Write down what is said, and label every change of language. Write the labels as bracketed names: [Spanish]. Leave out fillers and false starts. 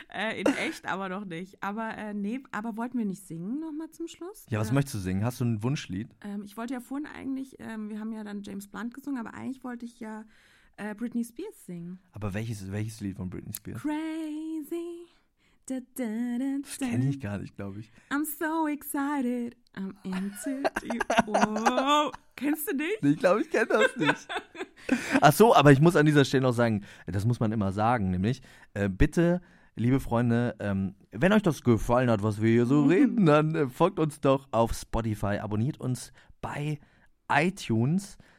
[German] In echt aber noch nicht. Aber aber wollten wir nicht singen nochmal zum Schluss? Ja, was möchtest du singen? Hast du ein Wunschlied? Ich wollte ja vorhin eigentlich, wir haben ja dann James Blunt gesungen, aber eigentlich wollte ich ja Britney Spears singen. Aber welches Lied von Britney Spears? [English] Crazy. Da, da, da, da. [German] Das kenne ich gar nicht, glaube ich. [English] I'm so excited, I'm into you. [German] Kennst du nicht? Ich glaube, ich kenne das nicht. Ach so, aber ich muss an dieser Stelle noch sagen, das muss man immer sagen, nämlich bitte, liebe Freunde, wenn euch das gefallen hat, was wir hier so reden, dann folgt uns doch auf Spotify, abonniert uns bei iTunes.